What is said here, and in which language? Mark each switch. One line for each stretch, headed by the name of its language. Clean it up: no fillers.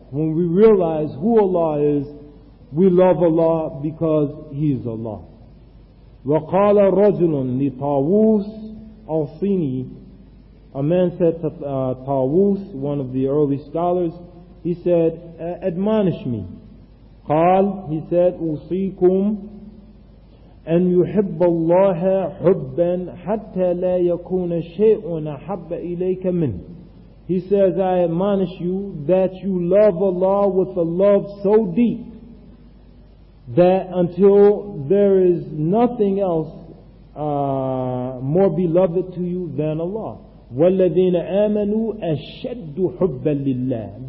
English: When we realize who Allah is, we love Allah because He is Allah.
Arabic: وَقَالَ رَجُلٌ لِطَاوُوسِ أَوْصِينِي.
English: A man said to Tawus, one of the early scholars, he said, admonish me.
Arabic: قال,
English: he said,
Arabic: أُوصِيكُمْ أَنْ يُحِبَّ اللَّهَ حُبًّا حَتَّى لَا يَكُونَ شَيْءٌ أَحَبَّ إِلَيْكَ مِنْهُ.
English: He says, I admonish you that you love Allah with a love so deep that until there is nothing else more beloved to you than Allah.
Arabic: وَالَّذِينَ آمَنُوا أَشَدُّ حُبًّا لِلَّهِ.